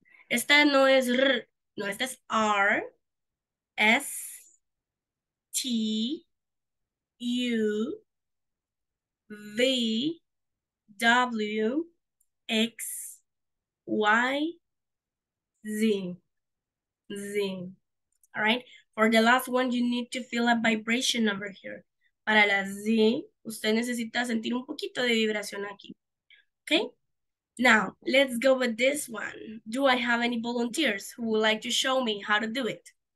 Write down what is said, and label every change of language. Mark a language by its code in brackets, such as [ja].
[es] Esta no es R, no, esta es R, S, T, U, V, W, X, Y, Z. Z. [en] All right. For the last one, you need to feel a vibration over here. [es] Para la Z, usted necesita sentir un poquito de vibración aquí. [en] Okay. Now, let's go with this one. Do I have any volunteers who would like to show me how to do it?